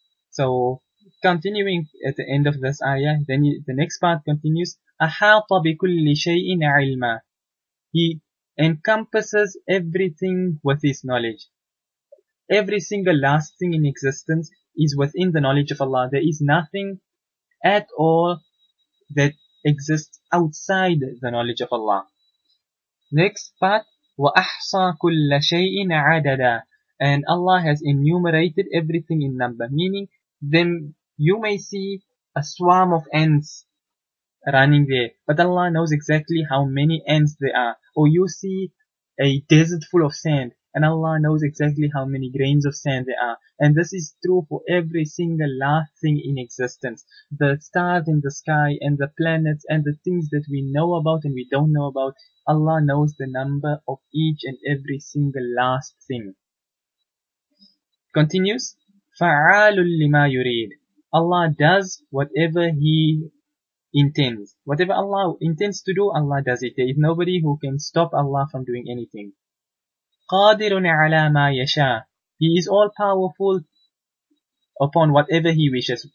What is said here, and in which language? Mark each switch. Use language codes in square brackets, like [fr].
[en] So continuing at the end of this ayah, then the next part continues, [ar] أحاط بكل شيء علما, [en] he encompasses everything with his knowledge. Every single last thing in existence is within the knowledge of Allah. There is nothing at all that exists outside the knowledge of Allah. Next part, [ar] وَأَحْصَى كُلَّ شَيْءٍ عَدَدًا. [en] And Allah has enumerated everything in number, meaning then you may see a swarm of ants running there, but Allah knows exactly how many ants there are. Or you see a desert full of sand, and Allah knows exactly how many grains of sand there are. And this is true for every single last thing in existence. The stars in the sky, and the planets, and the things that we know about and we don't know about, Allah knows the number of each and every single last thing. Continues, [ar] فَعَالٌ لِمَا يُرِيدٌ. [en] Allah does whatever He intends. Whatever Allah intends to do, Allah does it. There is nobody who can stop Allah from doing anything. [ar] قَادِرٌ عَلَى مَا يَشَاءُ. [en] He is all-powerful upon whatever He wishes.